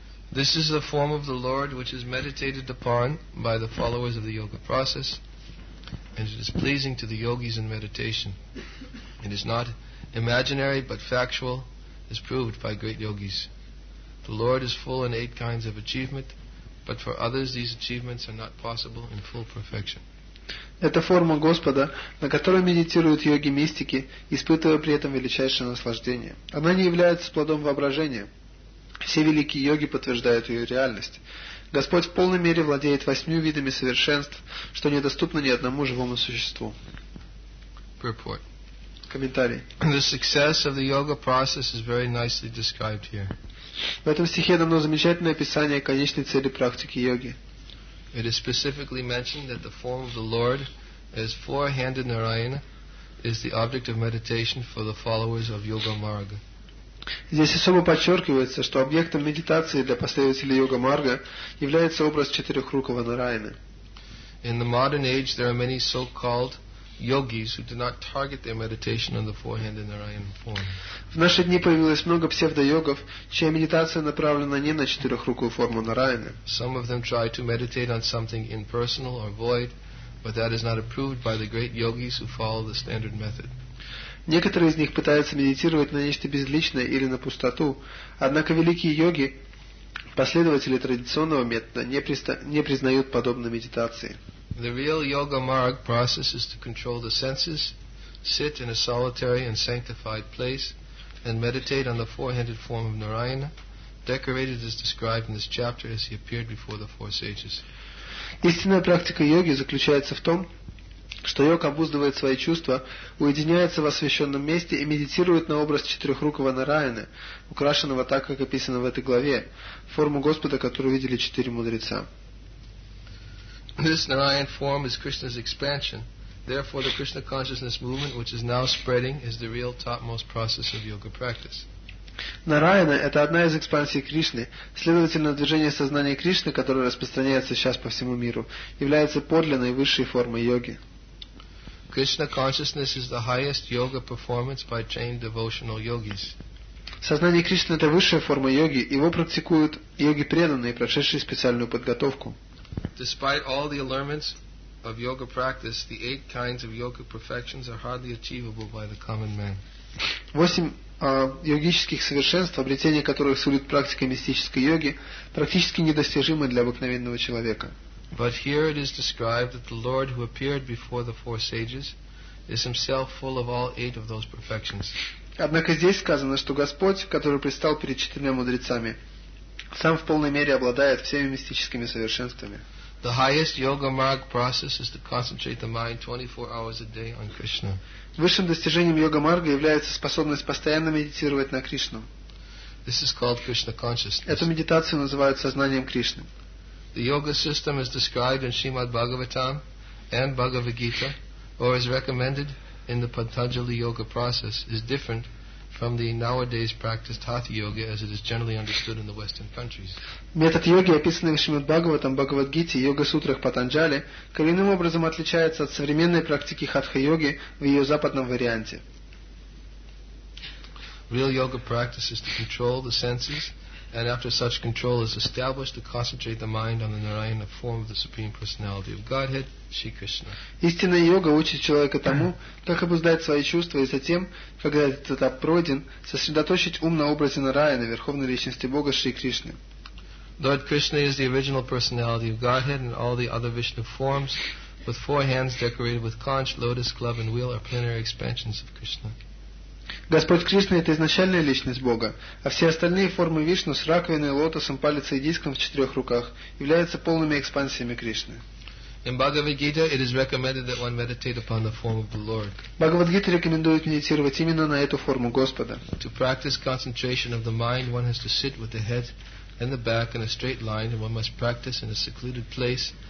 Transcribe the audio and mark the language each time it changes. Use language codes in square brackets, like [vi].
[en] This is the form of the Lord which is meditated upon by the followers of the yoga process, and it is pleasing to the yogis in meditation. It is not imaginary but factual, as proved by great yogis. The Lord is full in 8 kinds of achievement, but for others these achievements are not possible in full perfection. [ru] Это форма Господа, на которой медитируют йоги-мистики, испытывая при этом величайшее наслаждение. Она не является плодом воображения. Все великие йоги подтверждают ее реальность. Господь в полной мере владеет 8 видами совершенств, что недоступно ни одному живому существу. [en] Purport. [ru] Комментарий. [en] The success of the yoga process is very nicely described here. [ru] В этом стихе дано замечательное описание конечной цели практики йоги. [en] It is specifically mentioned that the form of the Lord as four-handed Narayana is the object of meditation for the followers of Yoga Marga. [ru] Здесь особо подчеркивается, что объектом медитации для последователей Йога Марга является образ четырехрукого Нараяны. [en] In the modern age, there are many so-called yogis who do not target their meditation on the four-handed Narayana form. [ru] В наши дни появилось много псевдо-йогов, чья медитация направлена не на четырехрукую форму Нараяны. [en] Some of them try to meditate on something impersonal or void, but that is not approved by the great yogis who follow the standard method. [ru] Некоторые из них пытаются медитировать на нечто безличное или на пустоту, однако великие йоги, последователи традиционного метода, не признают подобной медитации. [en] The real yoga marg process is to control the senses, sit in a solitary and sanctified place, and meditate on the four-handed form of Narayana, decorated as described in this chapter as he appeared before the four sages. [ru] Истинная практика йоги заключается в том, что йог обуздывает свои чувства, уединяется в освященном месте и медитирует на образ четырехрукого Нараяны, украшенного так, как описано в этой главе, форму Господа, которую видели четыре мудреца. [en] This Narayan form is Krishna's expansion. Therefore, the Krishna consciousness movement, which is now spreading, is the real topmost process of yoga practice. [ru] Нараяна – это одна из экспансий Кришны. Следовательно, движение сознания Кришны, которое распространяется сейчас по всему миру, является подлинной высшей формой йоги. [en] Krishna consciousness is the highest yoga performance by trained devotional yogis. [ru] Сознание Кришны – это высшая форма йоги. Его практикуют йоги-преданные, прошедшие специальную подготовку. [en] Despite all the allurements of yoga practice, the 8 kinds of yoga perfections are hardly achievable by the common man. [ru] 8 йогических совершенств, обретение которых сулит практика мистической йоги, практически недостижимы для обыкновенного человека. [en] But here it is described that the Lord who appeared before the four sages is himself full of all 8 of those perfections. [ru] Однако здесь сказано, что Господь, который предстал перед четырьмя мудрецами, сам в полной мере обладает всеми мистическими совершенствами. [en] The highest yoga marg process is to concentrate the mind 24 hours a day on Krishna. [ru] Высшим достижением йога марга является способность постоянно медитировать на Кришну. [en] This is called Krishna consciousness. [ru] Эту медитацию называют сознанием Кришны. [en] The yoga system is described in Srimad Bhagavatam and Bhagavad Gita, or is recommended in the Patanjali yoga process, is different from the nowadays practiced hatha yoga as it is generally understood in the western countries. [ru] Метод йоги, описанный в Шримад Бхагаватам, Бхагавад Гите, йога сутрах Патанджали, коренным образом отличается от современной практики хатха йоги в ее западном варианте. [en] Real yoga practice is to control the senses, and after such control is established, to concentrate the mind on the Narayana form of the Supreme Personality of Godhead, Shri Krishna. [ru] Истинная йога учит человека тому, как обуздать свои чувства, и затем, когда этот этап пройден, сосредоточить ум на образе Нараяны, Верховной Личности Бога, Шри Кришны. [en] Lord Krishna is the original personality of Godhead, and all the other Vishnu forms, with four hands decorated with conch, lotus, club, and wheel, are plenary expansions of Krishna. [ru] Господь Кришна – это изначальная личность Бога, а все остальные формы Вишну с раковиной, лотосом, палицей и диском в четырех руках являются полными экспансиями Кришны. [en] In Bhagavad Gita, it is recommended that one meditate upon the form of the Lord. [ru] Bhagavad Gita рекомендует медитировать именно на эту форму Господа. [en] To practice concentration of the mind, one has to sit with the head and the back in a straight line, and one must practice in a secluded place,